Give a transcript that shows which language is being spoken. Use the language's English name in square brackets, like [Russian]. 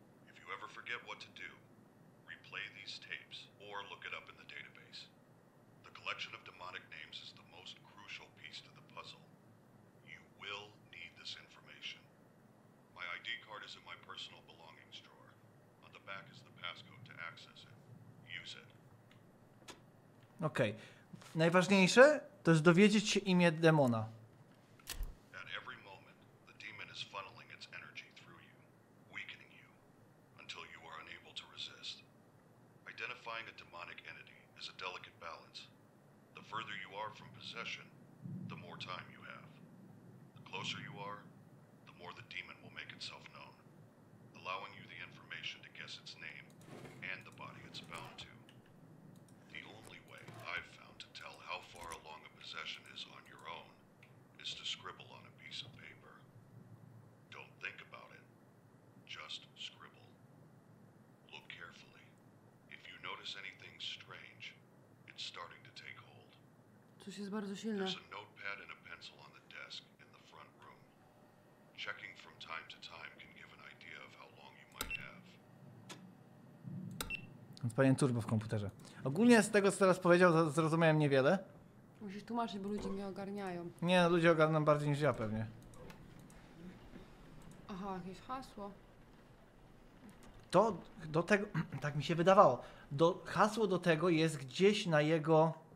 [English] If you ever forget what to do, replay these tapes or look it up in the database. The collection of demonic names is the most crucial piece to the puzzle. You will need this information. My ID card is in my personal belongings drawer. On the back is the passcode to access it. Use it. Okay. [Polish] Najważniejsze to jest dowiedzieć się imię demona. [English] At every moment, the demon is funneling its energy through you, weakening you, until you are unable to resist. Identifying a demonic entity is a delicate balance. The further you are from possession, the more time you have. The closer you are, the more the demon will make itself known, allowing you the information to guess its name and the body it's bound to. The only way I've found tell how far along a possession is on your own is to scribble on a piece of paper. Don't think about it, just scribble. Look carefully. If you notice anything strange, it's starting to take hold. [Polish] Coś jest bardzo silne. [English] There's a notepad and a pencil on the desk in the front room. Checking from time to time can give an idea of how long you might have. [Polish] Panie Turbo w komputerze. Ogólnie z tego, co teraz powiedział, zrozumiałem niewiele. Musisz tłumaczyć, bo ludzie mnie ogarniają. Nie, no, ludzie ogarną bardziej niż ja pewnie. Aha, jakieś hasło. To do tego, tak mi się wydawało, hasło do tego jest gdzieś na jego...